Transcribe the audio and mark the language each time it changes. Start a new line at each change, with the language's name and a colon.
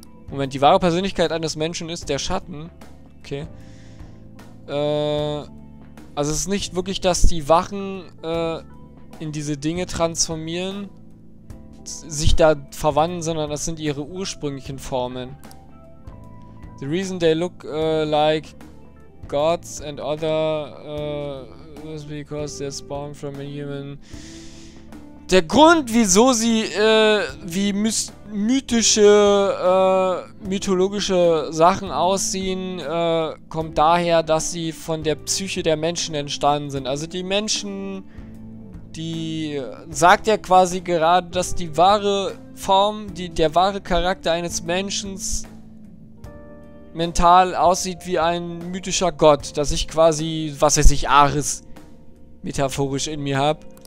German: Moment, die wahre Persönlichkeit eines Menschen ist der Schatten. Okay. Also es ist nicht wirklich, dass die Wachen in diese Dinge transformieren, sich da verwandeln, sondern das sind ihre ursprünglichen Formen.
English: The reason they look like gods and other was because they're spawned from a human.
German: Der Grund, wieso sie wie mythische mythologische Sachen aussehen, kommt daher, dass sie von der Psyche der Menschen entstanden sind. Also die Menschen, die sagt ja quasi gerade, dass die wahre Form, der wahre Charakter eines Menschen mental aussieht wie ein mythischer Gott, dass ich quasi, was weiß ich, Ares metaphorisch in mir hab.